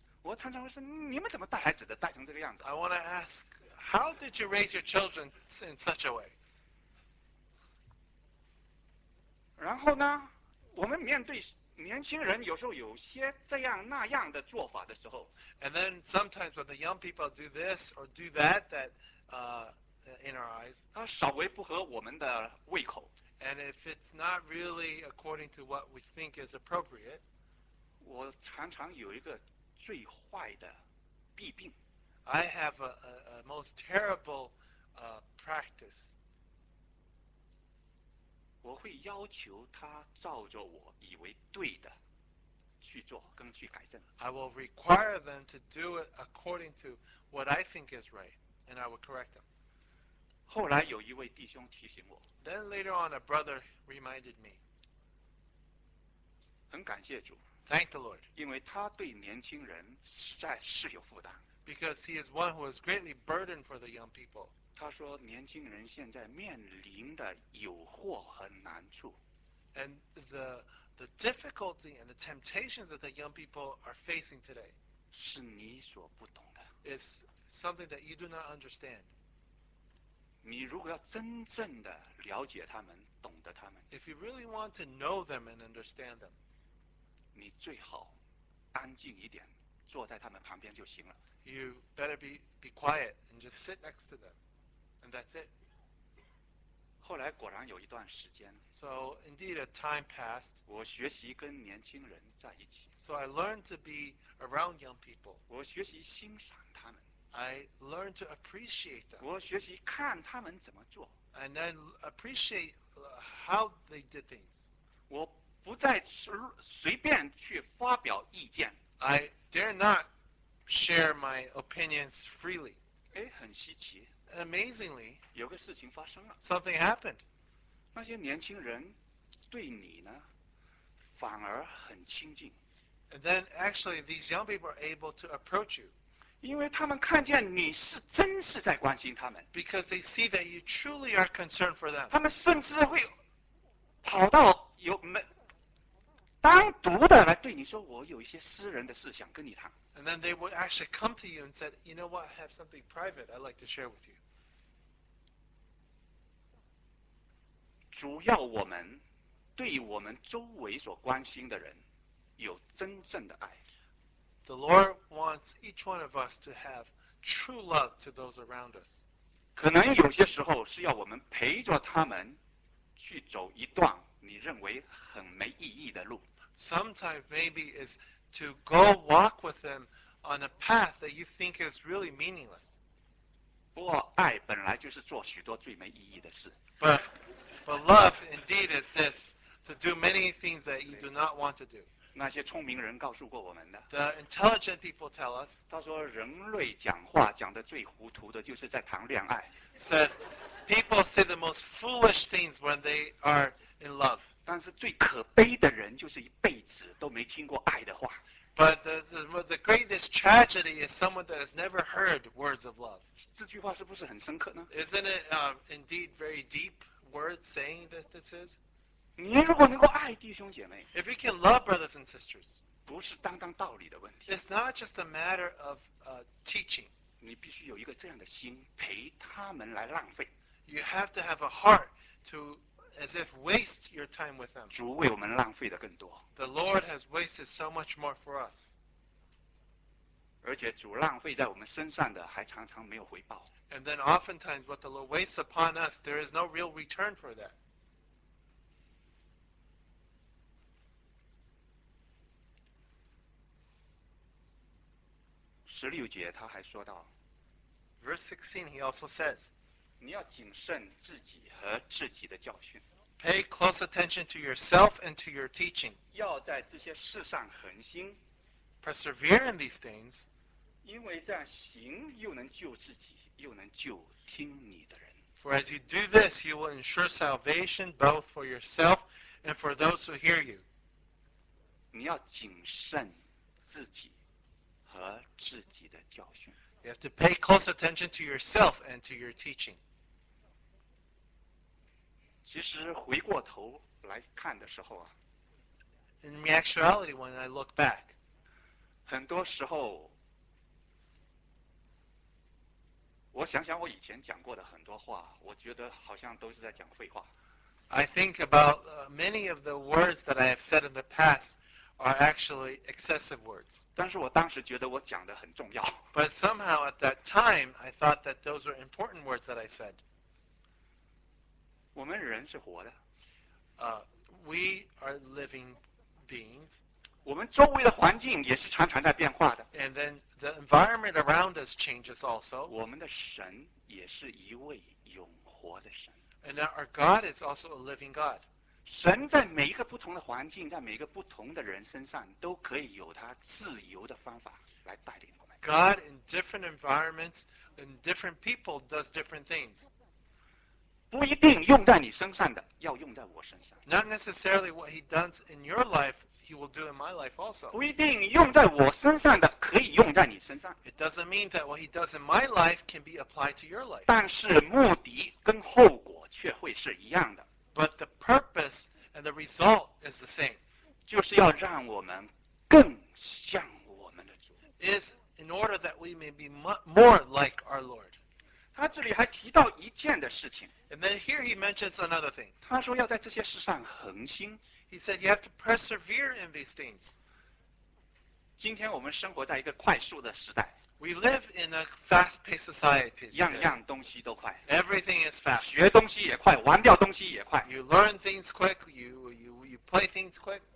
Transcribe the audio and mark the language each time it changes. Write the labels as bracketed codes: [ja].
[zh] 我常常会说，你们怎么带孩子的，带成这个样子 [en] ？I want to ask, how did you raise your children in such a way? [zh] 然后呢，我们面对年轻人有时候有些这样那样的做法的时候 [en] ，And then sometimes when the young people do this or do that, that in our eyes, [zh] 它稍微不合我们的胃口 [en] ，And if it's not really according to what we think is appropriate, [zh] 我常常有一个。最坏的弊病。 [en] I have a most terrible practice. [zh] 我会要求他照着我以为对的去做，跟去改正。 [en] I will require them to do it according to what I think is right, and I will correct them. [zh] 后来有一位弟兄提醒我。 [en] Then later on, a brother reminded me. [zh] 很感谢主。 [en] Thank the Lord. [zh] 因为他对年轻人实在是有负担。 [en] Because he is one who is greatly burdened for the young people. [zh] 他说年轻人现在面临的诱惑和难处。 [en] And the difficulty and the temptations that the young people are facing today. [zh] 是你所不懂的。 [en] Is something that you do not understand. [zh] 你如果要真正的了解他们，懂得他们。 [en] If you really want to know them and understand them. [zh] 你最好安静一点，坐在他们旁边就行了。 [en] You better be quiet and just sit next to them, and that's it. [zh] 后来果然有一段时间。 [en] So indeed, a time passed. [zh] 我学习跟年轻人在一起。 [en] So I learned to be around young people. [zh] 我学习欣赏他们。 [en] I learned to appreciate them. [zh] 我学习看他们怎么做。 [en] And then appreciate how they did things. [zh] 我。不再随便去发表意见。 [en] I dare not share my opinions freely. [zh] 哎，很稀奇。 [en] Amazingly, [zh] 有个事情发生了。 [en] Something happened. [zh] 那些年轻人对你呢，反而很亲近。 [en] And then actually, these young people are able to approach you. [zh] 因为他们看见你是真是在关心他们。 [en] Because they see that you truly are concerned for them. [zh] 他们甚至会跑到有门。单独的来对你说，我有一些私人的事想跟你谈。 [en] And then they would actually come to you and said, you know what, I have something private I'd like to share with you. [zh] 主要我们对我们周围所关心的人有真正的爱。 [en] The Lord wants each one of us to have true love to those around us. [zh] 可能有些时候是要我们陪着他们去走一段你认为很没意义的路。 [en] Sometimes maybe is to go walk with them on a path that you think is really meaningless. [zh] 不过爱本来就是做许多最没意义的事。 [en] But love indeed is this, to do many things that you do not want to do. [zh] 那些聪明人告诉过我们的。 [en] The intelligent people tell us. [zh] 他说人类讲话讲得最糊涂的就是在谈恋爱。 [en] Said, people say the most foolish things when they are in love. [zh] 但是最可悲的人就是一辈子都没听过爱的话。 [en] But the greatest tragedy is someone that has never heard words of love. [zh] 这句话是不是很深刻呢？ [en] Isn't it indeed very deep words saying that this is? [zh] 你如果能够爱弟兄姐妹， [en] If you can love brothers and sisters, [zh] 不是单单道理的问题。 [en] It's not just a matter of teaching. [zh] 你必须有一个这样的心陪他们来浪费。 [en] You have to have a heart to as if waste your time with them. [zh] 主为我们浪费的更多。 [en] The Lord has wasted so much more for us. [zh] 而且主浪费在我们身上的还常常没有回报。 [en] And then oftentimes what the Lord wastes upon us, there is no real return for that. [zh] 十六节他还说到。 [en] Verse 16 he also says, [zh] 你要谨慎自己和自己的教训。 [en] Pay close attention to yourself and to your teaching. [zh] 要在这些事上恒心。 [en] Persevere in these things. [zh] 因为这样行又能救自己，又能救听你的人。 [en] For as you do this, you will ensure salvation both for yourself and for those who hear you. [zh] 你要谨慎自己和自己的教训。 [en] You have to pay close attention to yourself and to your teaching. [zh] 其实回过头来看的时候啊， [en] In actuality, when I look back, [zh] 很多时候我想想我以前讲过的很多话，我觉得好像都是在讲废话。 [en] I think about many of the words that I have said in the past are actually excessive words. [zh] 但是我当时觉得我讲的很重要。 [en] But somehow at that time, I thought that those were important words that I said. [zh] 我们人是活的。 [en] We are living beings. [zh] 我们周围的环境也是常常在变化的。 [en] And then the environment around us changes also. [zh] 我们的神也是一位永活的神。 [en] And our God is also a living God. [zh] 神在每一个不同的环境，在每一个不同的人身上，都可以有他自由的方法来带领我们。 [en] God in different environments, in different people, does different things. [zh] 不一定用在你身上的，要用在我身上。 [en] Not necessarily what he does in your life, he will do in my life also. [zh] 不一定用在我身上的，可以用在你身上。 [en] It doesn't mean that what he does in my life can be applied to your life. [zh] 但是目的跟后果却会是一样的。 [en] But the purpose and the result is the same. [zh] 就是要让我们更像我们的主。 [en] Is in order that we may be more like our Lord. [zh] 他这里还提到一件的事情。 [en] And then here he mentions another thing. [zh] 他说要在这些事上恒心。 [en] He said you have to persevere in these things. [zh] 今天我们生活在一个快速的时代。 [en] We live in a fast-paced society. [zh] 样样东西都快。 [en] Everything is fast. [zh] 学东西也快，玩掉东西也快。 [en] You learn things quick, you play things quick.